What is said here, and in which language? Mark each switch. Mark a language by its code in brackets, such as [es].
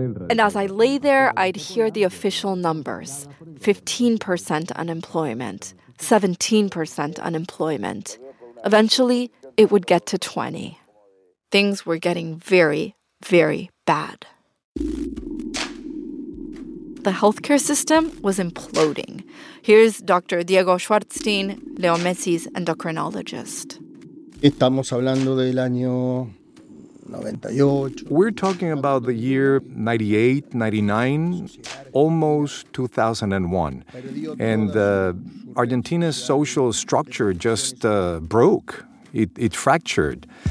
[en] And as I lay there, I'd hear the official numbers, 15% unemployment, 17% unemployment. Eventually, it would get to 20. Things were getting very, very bad. The healthcare system was imploding. Here's Dr. Diego Schwartzstein, Leo Messi's endocrinologist. [es] Estamos hablando del año... [en] We're talking about the year 98, 99, almost 2001. And Argentina's social structure just broke. It fractured.